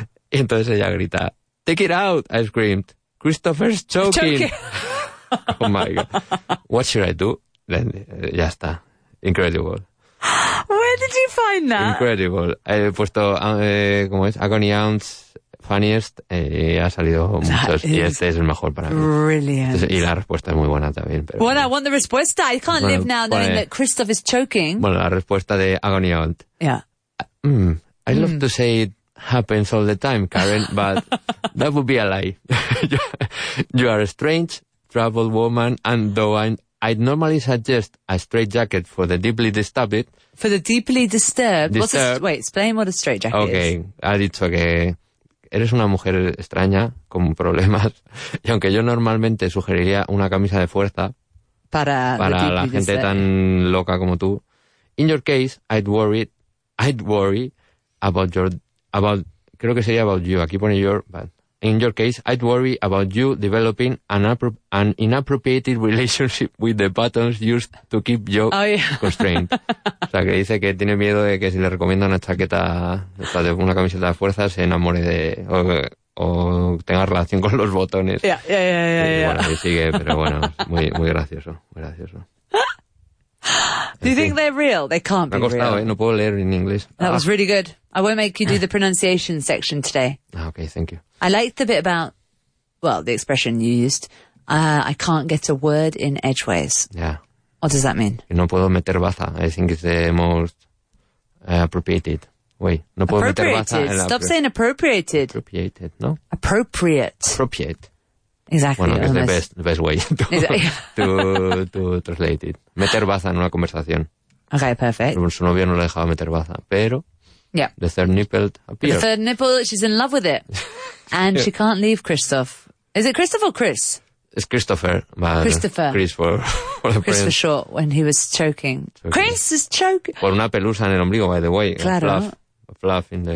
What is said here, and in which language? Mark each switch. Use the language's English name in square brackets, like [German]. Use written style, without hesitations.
[Spanish] Y entonces ella grita, [English] take it out, I screamed. Christopher's choking. Oh my god. What should I do? Then, [Spanish] ya está. [English] Incredible. Where did you find that? Incredible. [Spanish] He puesto, ¿cómo es? Agony Aunts Funniest, ha salido muchos, y este es el mejor para mí. [English] Brilliant. [Spanish] Entonces, y la respuesta es muy buena también. Pero, [English] well, I want the [Spanish] respuesta. [English] I can't live now knowing that Christoph is choking. [Spanish] Bueno, la respuesta de Agony Aunt. [English] Yeah. I love to say it happens all the time, Karen, but that would be a lie. You are a strange, troubled woman, and though I'd normally suggest a straight jacket for the deeply disturbed. For the deeply disturbed? Explain what a straight jacket is. Okay, [Spanish] ha dicho que... eres una mujer extraña, con problemas. Y aunque yo normalmente sugeriría una camisa de fuerza para la gente tan loca como tú, [English] in your case, I'd worry I'd worry about you developing an inappropriate relationship with the buttons used to keep you constrained. [Spanish] O sea, que dice que tiene miedo de que si le recomienda una chaqueta, o sea, de una camiseta de fuerza, se enamore de... o tenga relación con los botones. [English] Yeah. [Spanish] Bueno, ahí sigue, pero bueno, muy, muy gracioso, muy gracioso. [English] Do you think they're real? They can't [Spanish] be real. Me ha costado, [English] real. [Spanish] No puedo leer en inglés. [English] That was really good. I won't make you do the pronunciation section today. Okay, thank you. I liked the bit about, well, the expression you used. I can't get a word in edgeways. Yeah. What does that mean? [Spanish] No puedo meter baza. [English] I think it's the most appropriated. Wait, [Spanish] no puedo meter baza. [English] Stop saying appropriated. Appropriated, no? Appropriate. Exactly. [Spanish] Bueno, que es [English] the best way to translate it. [Spanish] Meter baza en una conversación. [English] Okay, perfect. [Spanish] Su novio no le dejaba meter baza, pero [English] yeah. The third nipple appeared. The third nipple, she's in love with it. And she can't leave Christoph. Is it Christoph or Chris? It's Christopher. Christopher. Chris for the Chris for short, when he was choking. Chris is choking. [Spanish] Por una pelusa en el ombligo, [English] by the way. [Spanish] Claro. [English] Fluff. fluff in the